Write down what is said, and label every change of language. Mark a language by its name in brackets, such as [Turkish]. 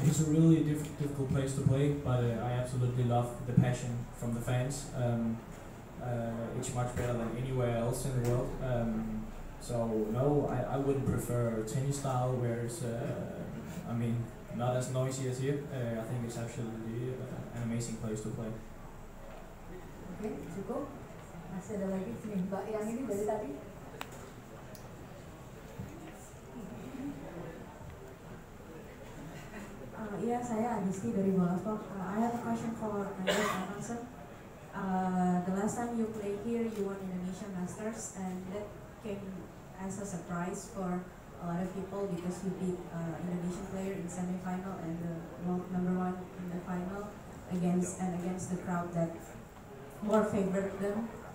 [English] It's a really difficult place to play, but I absolutely love the passion from the fans. It's much better than anywhere else in the world. So no, I wouldn't prefer tennis style where it's, I mean, not as noisy as here. I think it's absolutely an amazing place to play. [Indonesian] Okay, cukup. Masih ada lagi sini, Mbak. Yang ini dari tadi. Yeah, saya Adisti dari Bolaspor. [English] I have a question for Antonsen. The last time you played here, you won Indonesian Masters, and that came as a surprise for a lot of people because you beat Indonesian player in semifinal and the world number one in the final against the crowd that more favored them.